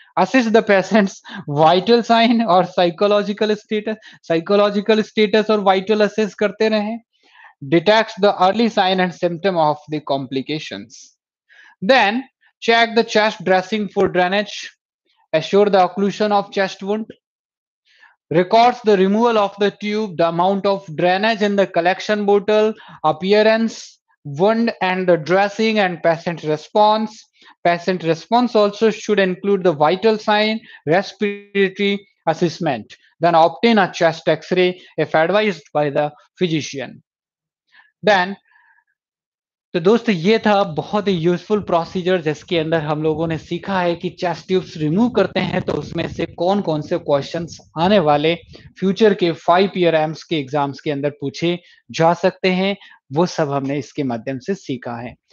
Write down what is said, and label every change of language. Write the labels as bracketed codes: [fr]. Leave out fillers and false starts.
[en] assist the patient's vital sign और psychological status, psychological status [hi] और vital असिस करते रहे। [en] Detect the early sign and symptom of the complication. Then check the chest dressing for drainage, assure the occlusion of chest wound. Records the removal of the tube, the amount of drainage in the collection bottle, appearance, wound and the dressing and patient response. Patient response also should include the vital sign, respiratory assessment. then obtain a chest X-ray if advised by the physician. [hi] Then तो दोस्त ये था बहुत ही useful procedure जिसके अंदर हम लोगों ने सीखा है कि चेस्ट ट्यूब्स रिमूव करते हैं तो उसमें से कौन कौन से क्वेश्चंस आने वाले फ्यूचर के 5 ईयर एम्स के एग्जाम्स के अंदर पूछे जा सकते हैं वो सब हमने इसके माध्यम से सीखा है।